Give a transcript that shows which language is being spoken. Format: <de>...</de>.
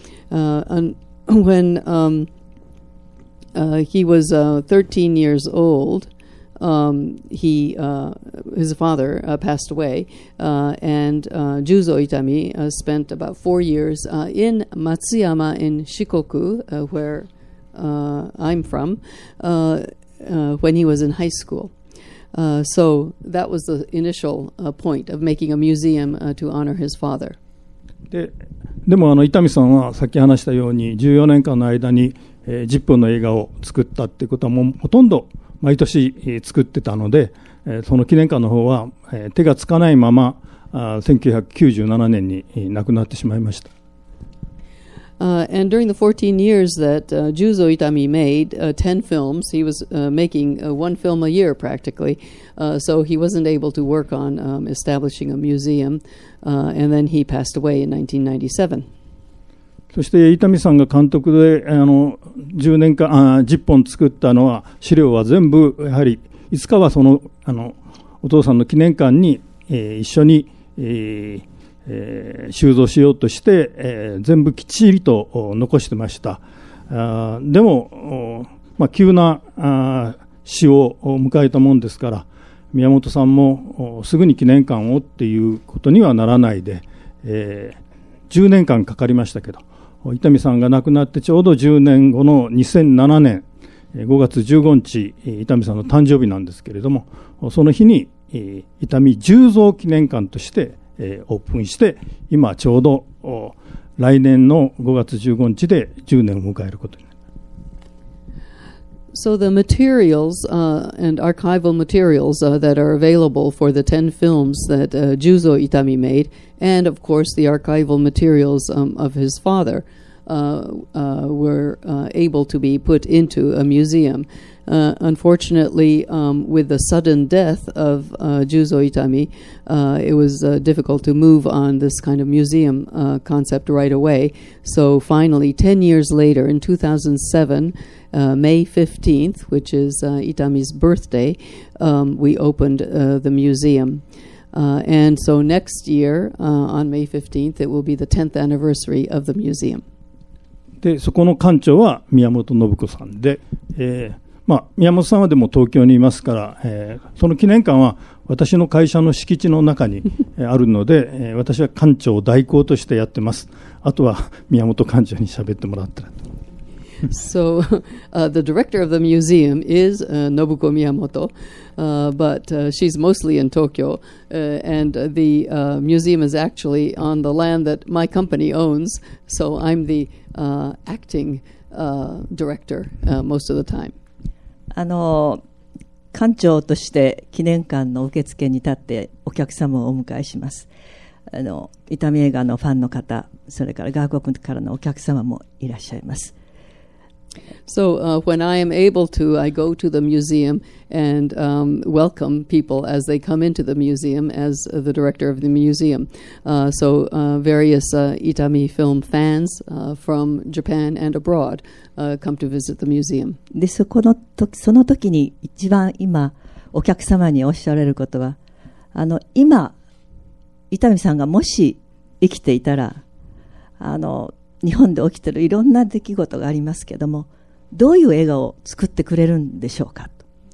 <en>When he was 13 years old, his father passed away, and Juzo Itami spent about 4 years in Matsuyama in Shikoku, where I'm from, when he was in high school. So that was the initial point of making a museum to honor his father.</en> <ja>でも伊丹さんはさっき話したように14年間の間に10本の映画を作ったってことはもうほとんど毎年作ってたので、その記念館の方は手がつかないまま1997年に亡くなってしまいました。</ja> <en>And during the 14 years that Juzo Itami made 10 films, he was making one film a year practically, so he wasn't able to work on establishing a museum, and then he passed away in 1997.</en> <ja>そして伊丹さんが監督で10本作ったのは資料は全部やはりいつかはそのお父さんの記念館に一緒に収蔵しようとして全部きっちりと残してました。でも、まあ、急な死を迎えたもんですから宮本さんもすぐに記念館をっていうことにはならないで、10年間かかりましたけど伊丹さんが亡くなってちょうど10年後の2007年5月15日伊丹さんの誕生日なんですけれどもその日に伊丹十三記念館としてオープンして今ちょうど来年の5月15日で10年を迎えることになります。</ja> <en>So the materials and archival materials that are available for the 10 films that Juzo Itami made and of course the archival materials of his father were able to be put into a museum. Unfortunately, with the sudden death of Juzo Itami, it was difficult to move on this kind of museum concept right away. So finally, 10 years later, in 2007, May 15th, which is Itami's birthday, we opened the museum. And so next year, on May 15th, it will be the 10th anniversary of the museum.</en> <ja>でそこの館長は宮本信子さんで、まあ、宮本さんはでも東京にいますから、その記念館は私の会社の敷地の中にあるので私は館長代行としてやってます。あとは宮本館長に喋ってもらったらと。</ja> <en>So, the director of the museum is Nobuko Miyamoto, but she's mostly in Tokyo, and the museum is actually on the land that my company owns, so I'm the acting director most of the time.</en> <ja>館長として記念館の受付に立ってお客様をお迎えします。伊丹映画のファンの方、それから外国からのお客様もいらっしゃいます。</ja> <en>So when I am able to, I go to the museum and welcome people as they come into the museum as the director of the museum. So various Itami film fans from Japan and abroad come to visit the museum.</en> <ja>で、その時に一番今お客様におっしゃられることは、今伊丹さんがもし生きていたら、日本で起きているいろんな出来事がありますけれども、どういう映画を作ってくれるんでしょうかと。</ja>